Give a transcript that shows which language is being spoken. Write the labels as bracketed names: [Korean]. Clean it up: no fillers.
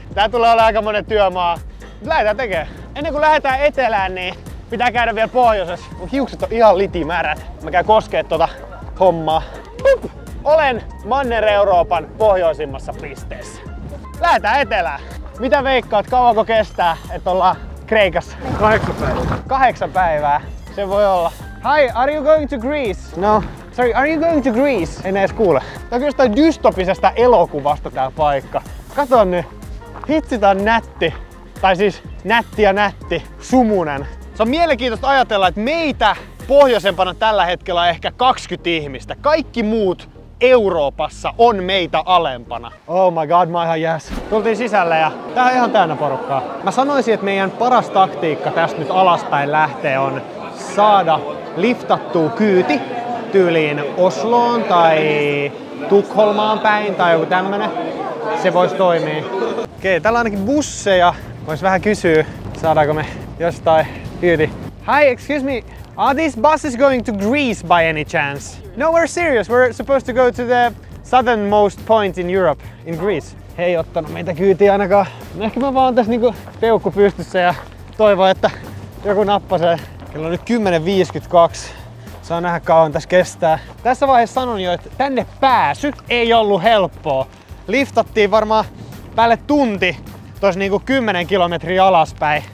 [Finnish] Tää tulee olla aika monen työmaa. Lähdetään tekemään. Ennen kuin lähdetään etelään, niin pitää käydä vielä pohjoisessa. Mun hiukset on ihan litimärät. Mä käyn koskee tuota hommaa. Olen Manner-Euroopan pohjoisimmassa pisteessä. Lähdetään etelään. Mitä veikkaat, kauanko kestää, että ollaan Kreikassa? 8 päivää. 8 päivää, se voi olla. [English] Hi, are you going to Greece? No. Sorry, are you going to Greece? [Finnish] En edes kuule. Tää on kyllä sitä dystopisesta elokuvasta tää paikka. Kato nyt, hitsi tää on nätti. Tai siis nätti ja nätti, sumunen. Se on mielenkiintoista ajatella, että meitä pohjoisempana tällä hetkellä on ehkä 20 ihmistä. Kaikki muut Euroopassa on meitä alempana. [English] Oh my god, [Finnish] mä ihan jäs. Tultiin sisälle ja tää on ihan täynnä porukkaa. Mä sanoisin, että meidän paras taktiikka tästä nyt alaspäin lähtee on saada liftattua kyyti tyyliin Osloon tai Tukholmaan päin tai joku tämmönen. Se voisi toimia. Okei, täällä on ainakin busseja. Vois vähän kysyä, saadaanko me jostain kyyti. [English] Hi, excuse me. Are these buses going to Greece by any chance? No, we're serious. We're supposed to go to the southernmost point in Europe, in Greece. [Finnish] He ei ottanut meitä kyytiä ainakaan. Ehkä mä vaan tässä niinku peukku pystyssä ja toivon, että joku nappasee. Kello on nyt 10.52. Saa nähdä kauan tässä kestää. Tässä vaiheessa sanon jo, että tänne pääsy ei ollut helppoa. Liftattiin varmaan päälle tunti tuossa niinku 10 kilometriä alaspäin.